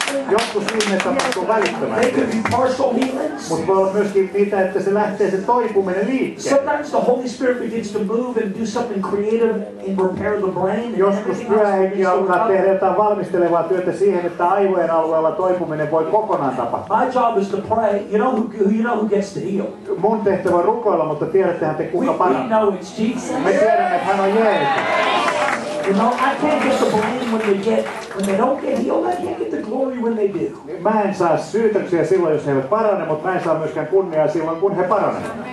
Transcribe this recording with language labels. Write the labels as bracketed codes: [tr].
[fi] Jotkut ihmeet tapahtuu välittömästi. Mutta voi olla myöskin niitä, että se lähtee se toipuminen liikkeelle. [en] Sometimes the Holy Spirit begins to move and do something creative and repair the brain. [fi] Joskus pyhähenki alkaa tehdä jotain valmistelevaa työtä siihen, että aivojen alueella toipuminen voi kokonaan tapahtua. [en] My job is to pray. You know who gets to heal. [fi] Mun tehtävä on rukoilla, mutta tiedättehän te kuka parantaa. [en] We know it's Jesus. [fi] Me tiedämme, että hän on Jeesus. [en] You know, I can't get the blame when they don't get healed. I can't get the glory when they do. [fi] Mä en saa syytöksiä silloin, jos he eivät parane, mutta mä en saa myöskään kunniaa silloin, kun he paranevat.